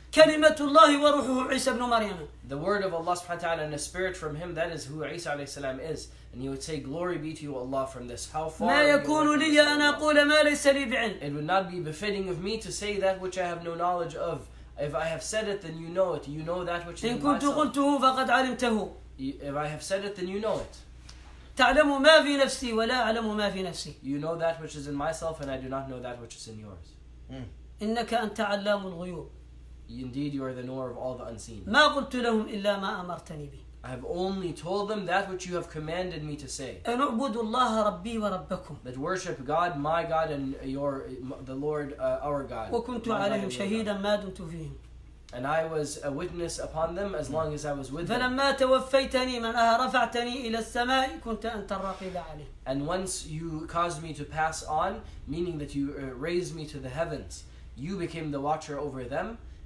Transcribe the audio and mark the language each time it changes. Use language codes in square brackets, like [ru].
[en] The word of Allah subhanahu wa ta'ala and the spirit from him, that is who Isa alayhi salam is. And he would say, Glory be to you, Allah, from this. How far? It would not be befitting of me to say that which I have no knowledge of. If I have said it, then you know it. You know that which is in myself. If I have said it, then you know it. [ar] تعلم ما في نفسي ولا أعلم ما في نفسي. [en] You know that which is in myself, and I do not know that which is in yours. [ar] إنك أنت علام الغيوب. [en] Indeed, you are the knower of all the unseen. [ar] ما قلت لهم إلا ما أمرتني به. [en] I have only told them that which you have commanded me to say. [ar] أن أعبد الله ربي وربكم. [en] That worship God, my God, and your the Lord, our God. [ar] وكنت عليهم شهيدا ما دمت فيهم. [en] And I was a witness upon them as long as I was with them. And once you caused me to pass on, meaning that you raised me to the heavens, you became the watcher over them.